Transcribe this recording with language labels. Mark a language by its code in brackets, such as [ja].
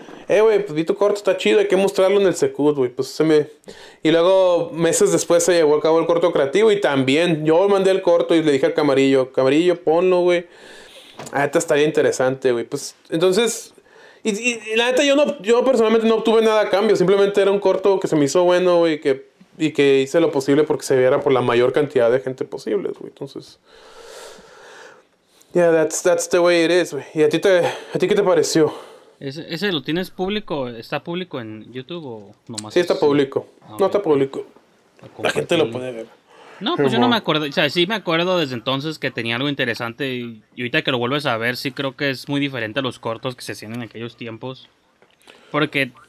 [es] Güey, pues vi tu corto, está chido, hay que mostrarlo en el Secud, güey. Pues Y luego meses después se llevó a cabo el corto creativo y también yo mandé el corto y le dije al camarillo, camarillo, ponlo, güey. La neta estaría interesante, güey. Pues entonces, y la neta yo personalmente no obtuve nada a cambio. Simplemente era un corto que se me hizo bueno, güey, y que hice lo posible porque se viera por la mayor cantidad de gente posible, güey. Entonces, [en] yeah, that's the way it is, güey. [es] ¿Y a ti qué te pareció? ¿Ese lo tienes público? ¿Está público en YouTube o nomás? Sí, está público. Ah, no, okay. Está público. La gente lo puede ver. No, pues yo no me acuerdo. O sea, sí me acuerdo desde entonces que tenía algo interesante. Y ahorita que lo vuelves a ver, sí creo que es muy diferente a los cortos que se hacían en aquellos tiempos. Porque...